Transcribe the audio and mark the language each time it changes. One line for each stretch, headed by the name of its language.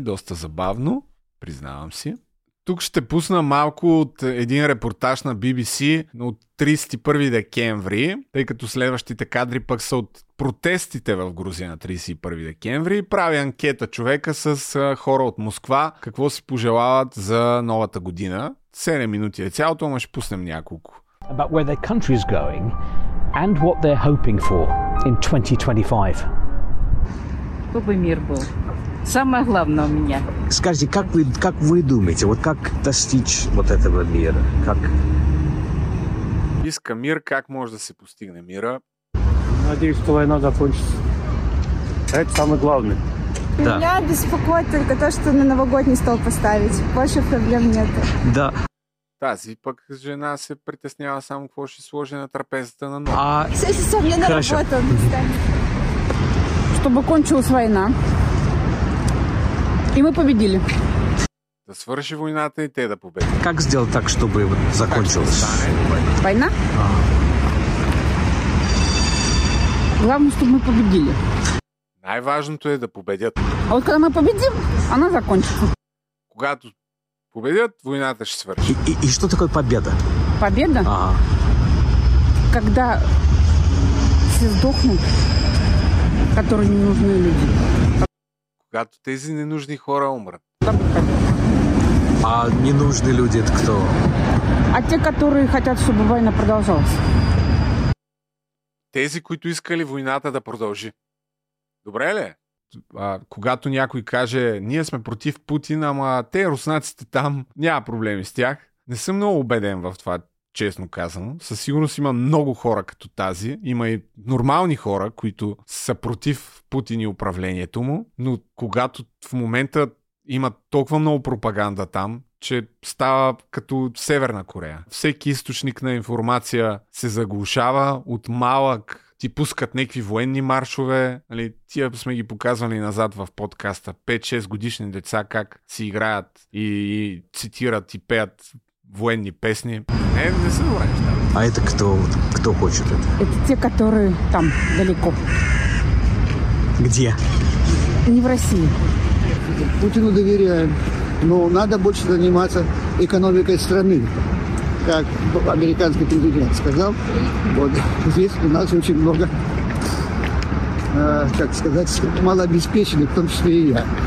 Bulgarian: Доста забавно, признавам си. Тук ще пусна малко от един репортаж на BBC от 31 декември, тъй като следващите кадри пък са от протестите в Грузия на 31 декември. Прави анкета човека с хора от Москва, какво си пожелават за новата година. 7 минути е цялото, ама ще пуснем няколко.
English: About where their country is going and what they're hoping for in
Russian: 2025. Какво бы мир был? Самое главное у меня. Скажите, как вы думаете, вот как достичь вот этого мира? Как?
Bulgarian: Иска мир, как может да се постигне мира?
Russian: Надеюсь, что война закончится. Это самое главное. Да. Меня беспокоит только то, что на новогодний стол поставить. Больше проблем нет. Да.
Bulgarian: Тази пък жена се притеснява само какво ще сложи на трапезата на нова.
Russian: Со мне на работу. Чтобы кончилась война. И мы победили.
Bulgarian: Да свърши войната и те да победят.
Russian: Как сделать так, чтобы закончилась война? Главное, чтобы мы победили.
Bulgarian: Най-важното е да победят.
Russian: А вот когда мы победим, она закончится.
Bulgarian: Когато победят, войната ще свърши.
Russian: И что такое победа? Победа? Когда все сдохнут, которые не нужны люди.
Bulgarian: Когато тези ненужни хора умрат.
Russian: А ненужные люди это кто? А те, которые хотят, чтобы война продолжалась.
Bulgarian: Тези, които искали войната да продължи. Добре ли? А, когато някой каже, ние сме против Путин, ама те руснаците там, няма проблеми с тях. Не съм много убеден в това, честно казано. Със сигурност има много хора като тази. Има и нормални хора, които са против Путин и управлението му. Но когато в момента има толкова много пропаганда там, че става като Северна Корея. Всеки източник на информация се заглушава от малък. Ти пускат някакви военни маршове. Нали, тия сме ги показвали назад в подкаста. 5-6 годишни деца как си играят и цитират и пеят военни песни. Не са добре.
Russian: А это кто хочет это? Это те, которые там далеко. Где? Не в России. Путину доверяем. Но надо больше заниматься экономикой страны. Как американский президент сказал, вот здесь у нас очень много, как сказать, малообеспеченных, в том числе и я.